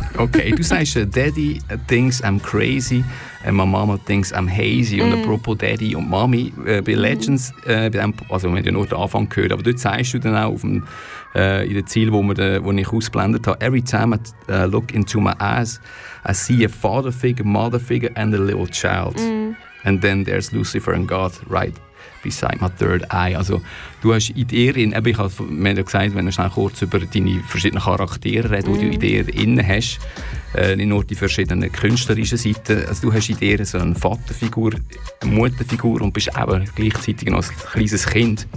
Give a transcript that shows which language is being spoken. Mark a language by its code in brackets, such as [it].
[de] Okay, du sagst, [en] Daddy thinks I'm crazy, my mama thinks I'm hazy. [de] Und apropos Daddy und Mami, bei Legends, also wir haben ja nur den Anfang gehört, aber dort sagst du dann auch in dem Ziel, wo ich ausblendet habe, [en] every time I look into my eyes, I see a father figure, mother figure and a little child. Mm. And then there's Lucifer and God, right? Beside my third eye. [de] Also, du hast in dir, ich habe ja gesagt, wenn ich kurz über deine verschiedenen Charaktere rede, die du in dir innen hast, nicht nur die verschiedenen künstlerischen Seiten. Also, du hast in dir so eine Vaterfigur, eine Mutterfigur und bist aber gleichzeitig noch ein kleines Kind.